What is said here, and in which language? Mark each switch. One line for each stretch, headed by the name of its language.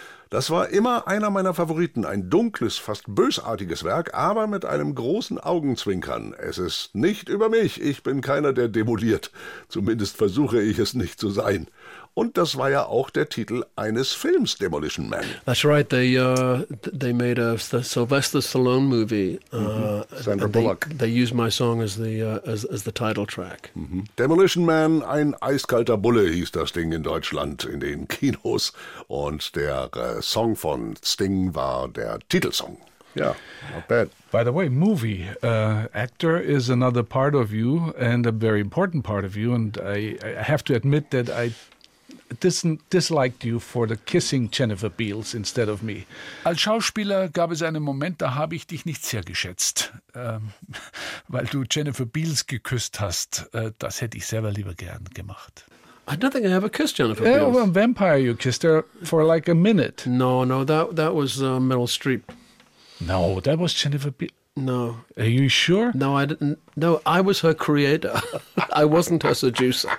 German: Das war immer einer meiner Favoriten, ein dunkles, fast bösartiges Werk, aber mit einem großen Augenzwinkern. Es ist nicht über mich, ich bin keiner, der demoliert. Zumindest versuche ich es nicht zu sein. Und das war ja auch der Titel eines Films, Demolition Man.
English: That's right, they made a Sylvester Stallone movie. Sandra Bullock. They used my song as the title track. Mm-hmm.
German: Demolition Man, ein eiskalter Bulle, hieß das Ding in Deutschland in den Kinos. Und der Song von Sting war der Titelsong.
English: Yeah, not bad. By the way, movie. Actor is another part of you and a very important part of you. And I have to admit that I disliked you for the kissing Jennifer Beals instead of me.
German: Als Schauspieler gab es einen Moment, da habe ich dich nicht sehr geschätzt, weil du Jennifer Beals geküsst hast. Das hätte ich selber lieber gern gemacht.
English: I don't think I ever kissed Jennifer Beals. Yeah, well, Vampire, you kissed her for like a minute. No, that was Meryl Streep. No, that was Jennifer Beals. No. Are you sure? No, I didn't. No, I was her creator. I wasn't her seducer.